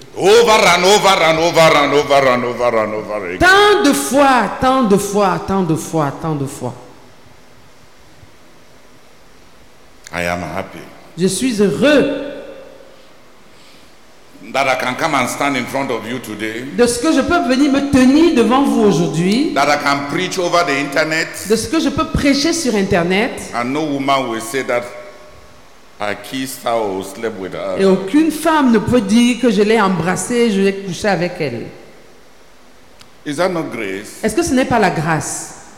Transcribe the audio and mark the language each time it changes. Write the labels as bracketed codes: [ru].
[en] Over and over and over and over and over and over again. [fr] Tant de fois, tant de fois, tant de fois, tant de fois. [en] I am happy. [fr] Je suis heureux. [en] That I can come and stand in front of you today. [fr] De ce que je peux venir me tenir devant vous aujourd'hui. [en] That I can preach over the internet. [fr] De ce que je peux prêcher sur internet. [en] And no woman will say that I kissed her or slept with her. [fr] Et aucune femme ne peut dire que je l'ai embrassée, je l'ai couché avec elle. [en] Is that not grace? [fr] Est-ce que ce n'est pas la grâce?